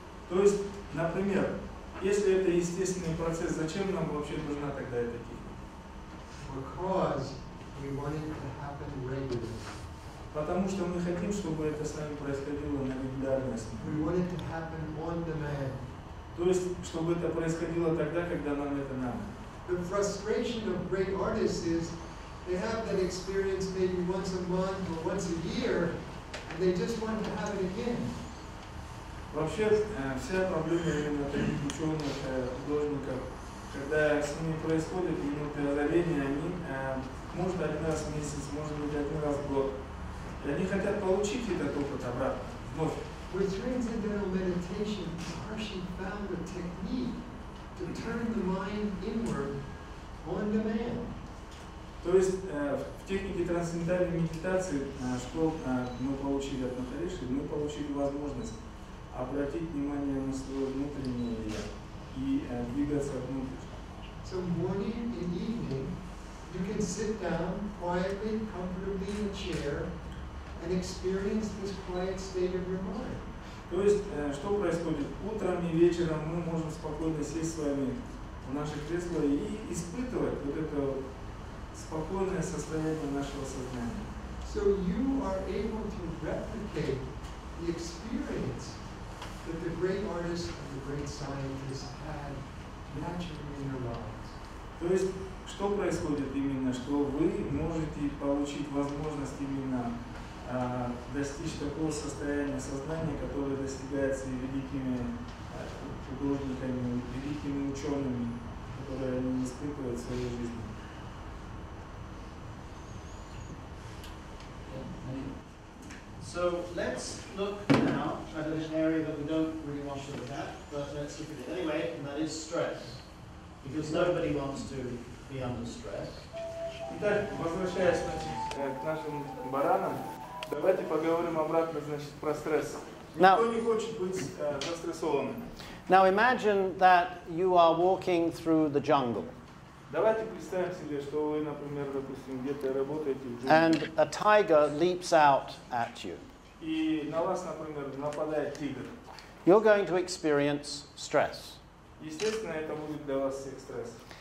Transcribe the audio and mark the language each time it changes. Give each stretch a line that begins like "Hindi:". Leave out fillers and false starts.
Russian: То есть, например, если это естественный процесс, зачем нам вообще нужна тогда эта техника?
English: Because we want it to happen regularly.
Russian: Потому что мы хотим, чтобы это с нами происходило на регулярной основе.
English: We want it to happen on demand.
Russian: То есть, чтобы это происходило тогда, когда нам это надо.
English: The frustration of great artists is they have that experience maybe once a month or once a year, and they just want to have it again.
Russian: Вообще вся проблема именно таких ученых художников, когда с ними происходит минуты озарения, они может один раз в месяц, может быть один раз в год, и они хотят получить этот опыт обратно. Вновь.
English: With transcendental meditation, Maharshi found a technique. To turn the mind inward on demand.
Russian: То есть в технике трансцендентальной медитации, что мы получили от Махариши, мы получили возможность обратить внимание на свое внутреннее я и двигаться внутрь.
English: So morning and evening, you can sit down quietly, comfortably in a chair and experience this quiet state of your mind.
Russian: То есть, что происходит? Утром и вечером мы можем спокойно сесть с вами в наше кресло и испытывать вот это спокойное состояние нашего сознания.
English: So you are able to replicate the experience that the great artists and the great scientists had naturally in their lives.
Russian: То есть, что происходит именно, что вы можете получить возможность именно достичь такого состояния сознания, которое достигается и великими художниками, и великими учеными, которые они испытывают в своей жизни.
English: So let's look now at an area that we don't really want to look at, but let's look at it anyway, and that is stress. Because nobody wants to be under stress.
Russian: Итак, возвращаясь, значит, к нашим баранам. Давайте поговорим обратно, значит, про стресс. Никто не хочет быть застрессованным.
English: Now imagine that you are walking through the jungle.
Russian: Давайте представим себе, что вы, например, допустим, где-то работаете в джунглях.
English: And a tiger leaps out at you.
Russian: И на вас, например, нападает тигр.
English: You're going to experience stress.
Russian: Естественно, это будет для вас всех стресс.